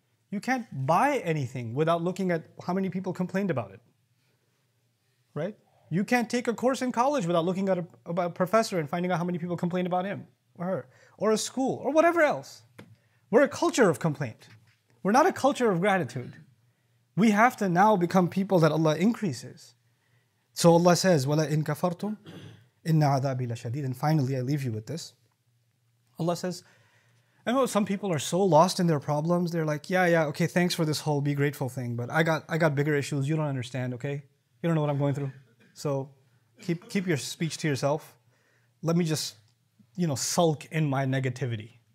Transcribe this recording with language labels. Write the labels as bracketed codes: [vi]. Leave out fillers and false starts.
[en] You can't buy anything without looking at how many people complained about it. Right? You can't take a course in college without looking at a professor and finding out how many people complained about him or her. Or a school or whatever else. We're a culture of complaint. We're not a culture of gratitude. We have to now become people that Allah increases. So Allah says, [ar] وَلَا إِن كَفَرْتُمْ إِنَّ عَذَابِ لَشَدِيدٍ. [en] And finally, I leave you with this. Allah says, I know some people are so lost in their problems, they're like, yeah, okay, thanks for this whole be grateful thing, but I got bigger issues, you don't understand, okay? You don't know what I'm going through. So keep your speech to yourself. Let me just, you know, sulk in my negativity.